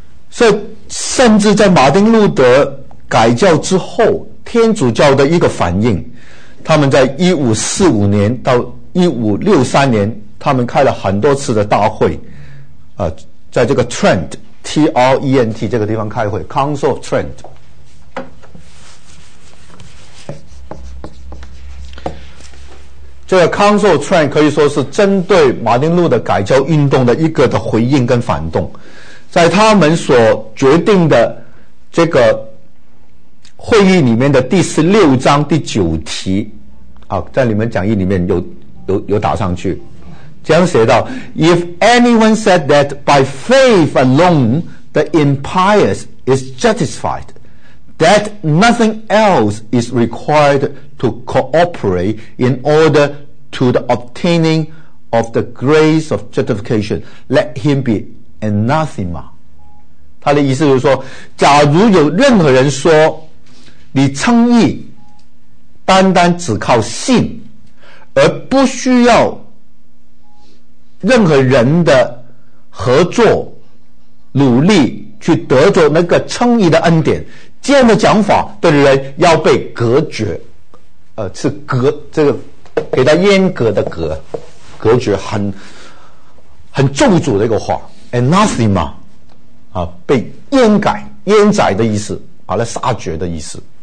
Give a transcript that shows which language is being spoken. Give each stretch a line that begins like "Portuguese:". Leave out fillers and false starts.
Chinese: 所以甚至在马丁路德改教之后，天主教的一个反应，他们在1545年到1563年他们开了很多次的大会，在这个 Trent T-R-E-N-T 这个地方开会， Council of Trent， 这个 Council of Trent 可以说是针对马丁路德改教运动的一个的回应跟反动。在他们所决定的这个会议里面的第16章第9题啊，在你们讲义里面有打上去，这样写到
English: If anyone said that by faith alone the impious is justified, that nothing else is required to cooperate in order to the obtaining of the grace of justification, let him be anathema。
Chinese: 他的意思就是说，假如有任何人说你称义单单只靠信而不需要任何人的合作努力去得着那个称义的恩典，这样的讲法的人要被隔绝是隔这个给他阉割的隔绝，很咒诅的一个话 anathema啊，被阉宰的意思，把它杀绝的意思。